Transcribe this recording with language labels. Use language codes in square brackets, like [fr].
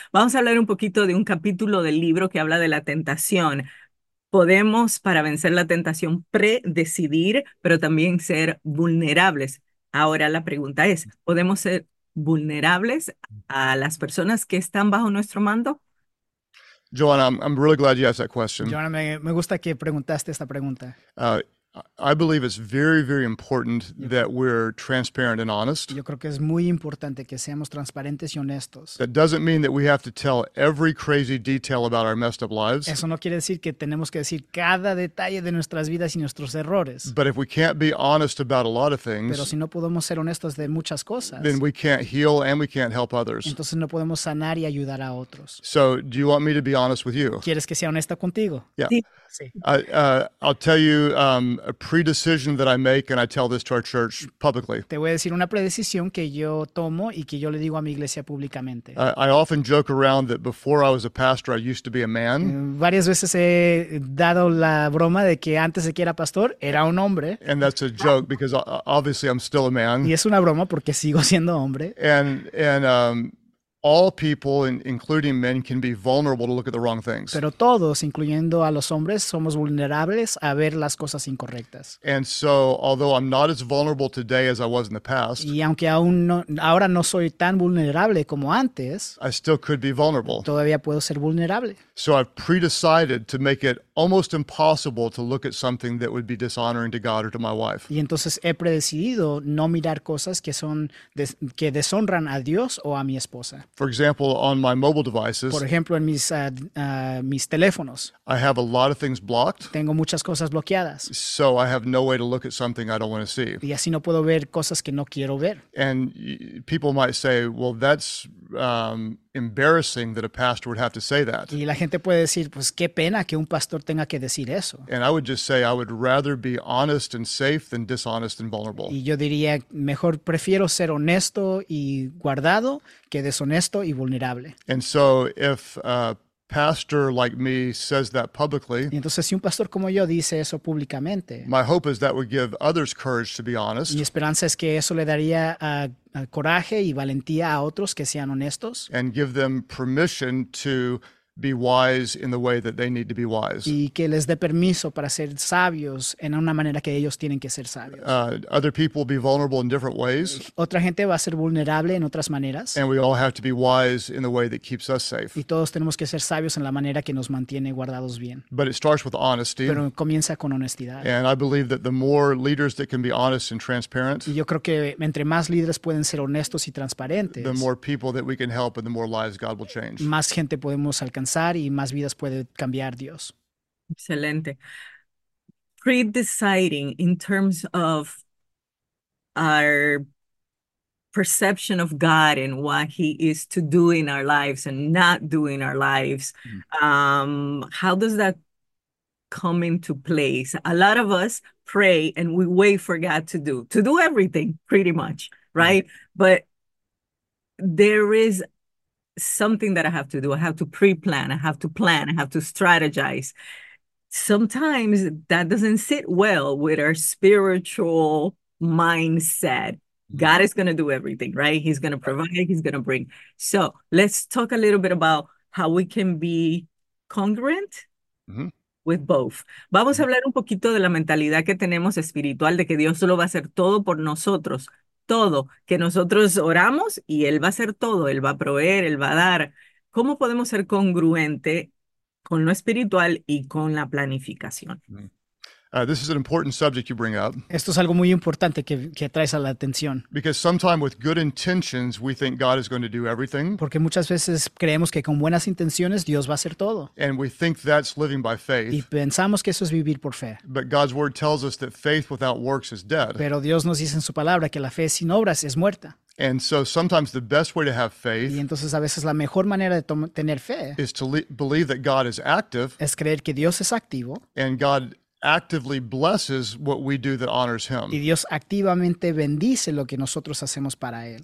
[es] Vamos a hablar un poquito de un capítulo del libro que habla de la tentación. Podemos, para vencer la tentación, predecidir, pero también ser vulnerables. Ahora la pregunta es, ¿podemos ser vulnerables a las personas que están bajo nuestro mando? [en] Joanna, I'm really glad you asked that question. [es] Joanna, me gusta que preguntaste esta pregunta. [en] I believe it's very, very important that we're transparent and honest. [es] Yo creo que es muy importante que seamos transparentes y honestos. [en] That doesn't mean that we have to tell every crazy detail about our messed up lives. [es] Eso no quiere decir que tenemos que decir cada detalle de nuestras vidas y nuestros errores. [en] But if we can't be honest about a lot of things, [es] pero si no podemos ser honestos de muchas cosas, [en] then we can't heal and we can't help others. [es] Entonces no podemos sanar y ayudar a otros. [en] So, do you want me to be honest with you? [es] ¿Quieres que sea honesta contigo? [en] Yeah. [es] Sí. [en] I'll tell you a predecision that I make, and I tell this to our church publicly. [es] Te voy a decir una predecisión que yo tomo y que yo le digo a mi iglesia públicamente. [en] I often joke around that before I was a pastor, I used to be a man. [es] Varias veces he dado la broma de que antes de que era pastor era un hombre. [en] And that's a joke because obviously I'm still a man. [es] Y es una broma porque sigo siendo hombre. [en] And All people, including men, can be vulnerable to look at the wrong things. [es] Pero todos, incluyendo a los hombres, somos vulnerables a ver las cosas incorrectas. [en] And so, although I'm not as vulnerable today as I was in the past, [es] y aunque aún no, ahora no soy tan vulnerable como antes, [en] I still could be vulnerable. [es] Todavía puedo ser vulnerable. [en] So I've pre-decided to make it almost impossible to look at something that would be dishonoring to God or to my wife. [es] Y entonces he predecidido no mirar cosas que son que deshonran a Dios o a mi esposa. [en] For example, on my mobile devices, [es] por ejemplo, en mis, mis teléfonos, [en] I have a lot of things blocked. [es] Tengo muchas cosas bloqueadas. [en] So I have no way to look at something I don't want to see. [es] Y así no puedo ver cosas que no quiero ver. [en] And people might say, well, that's embarrassing that a pastor would have to say that. [es] Y la gente puede decir, pues qué pena que un pastor tenga que decir eso. [en] And I would just say, I would rather be honest and safe than dishonest and vulnerable. [es] Y yo diría, mejor prefiero ser honesto y guardado que deshonesto y vulnerable. [en] And so if a pastor like me says that publicly, [es] y entonces si un pastor como yo dice eso públicamente, [en] my hope is that would give others courage to be honest. [es] Mi esperanza es que eso le daría a coraje y valentía a otros que sean honestos. [en] And give them permission to be wise in the way that they need to be wise. [es] Y que les dé permiso para ser sabios en una manera que ellos tienen que ser sabios. [en] Other people will be vulnerable in different ways. [es] Otra gente va a ser vulnerable en otras maneras. [en] And we all have to be wise in the way that keeps us safe. [es] Y todos tenemos que ser sabios en la manera que nos mantiene guardados bien. [en] But it starts with honesty. [es] Pero comienza con honestidad. [en] And I believe that the more leaders that can be honest and transparent, [es] y yo creo que entre más líderes pueden ser honestos y transparentes, [en] the more people that we can help and the more lives God will change. [es] Más gente podemos alcanzar y más vidas puede cambiar Dios. Excelente. [en] Pre-deciding in terms of our perception of God and what He is to do in our lives and not do in our lives. How does that come into place? A lot of us pray and we wait for God to do everything, pretty much, right? Mm-hmm. But there is something that I have to do. I have to pre-plan. I have to plan. I have to strategize. Sometimes that doesn't sit well with our spiritual mindset. God is going to do everything, right? He's going to provide. He's going to bring. So let's talk a little bit about how we can be congruent with both. [es] Vamos a hablar un poquito de la mentalidad que tenemos espiritual, de que Dios solo va a hacer todo por nosotros. Todo, que nosotros oramos y Él va a hacer todo, Él va a proveer, Él va a dar. ¿Cómo podemos ser congruente con lo espiritual y con la planificación? [en] This is an important subject you bring up. [es] Esto es algo muy importante que traes a la atención. [en] Because sometimes with good intentions we think God is going to do everything. [es] Porque muchas veces creemos que con buenas intenciones Dios va a hacer todo. [en] And we think that's living by faith. [es] Y pensamos que eso es vivir por fe. [en] But God's word tells us that faith without works is dead. [es] Pero Dios nos dice en su palabra que la fe sin obras es muerta. [en] And so sometimes the best way to have faith, [es] y entonces a veces la mejor manera de tener fe, [en] is to believe that God is active. [es] Es creer que Dios es activo. [en] And God actively blesses what we do that honors Him. [es] Y Dios activamente bendice lo que nosotros hacemos para Él.